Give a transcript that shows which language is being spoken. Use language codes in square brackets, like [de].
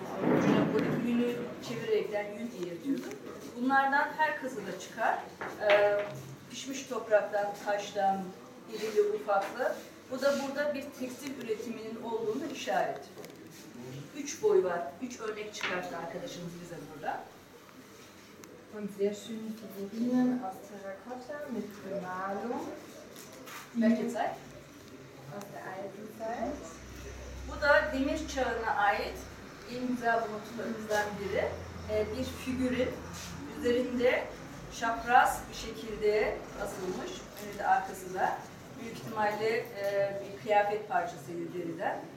[tr] Ucuna koyup yünü çevirerekten yün eğirtiyordum. Bunlardan her kazı da çıkar. Pişmiş topraktan, taştan, irili ufaklı. Bu da burada bir tekstil üretiminin olduğunu işaret. Üç boy var. Üç örnek çıkarttı arkadaşımız bize burada. [de] Und sehr schöne Figurinen aus Terrakotta mit Bemalung. Welche Zeit? Aus der alten Zeit. [tr] Bu da demir çağına ait en güzel buluntularımızdan biri. Bir figürin üzerinde çapraz bir şekilde asılmış. Önü de arkasında. Büyük ihtimalle bir kıyafet parçasıydı deriden.